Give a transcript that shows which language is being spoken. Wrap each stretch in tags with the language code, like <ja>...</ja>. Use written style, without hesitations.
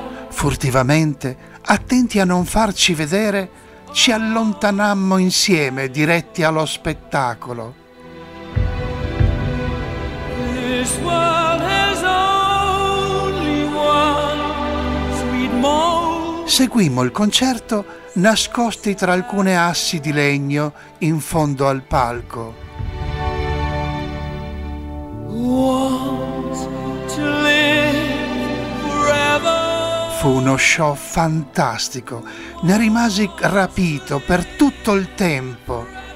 <it>Furtivamente, attenti a non farci vedere, ci allontanammo insieme, diretti allo spettacolo.</it> <en>This world has only one sweet moment.</en> <it>Seguimmo il concerto nascosti tra alcune assi di legno in fondo al palco.</it> <en>Want to live forever.</en> <it>Fu uno show fantastico, ne rimasi rapito per tutto il tempo.</it>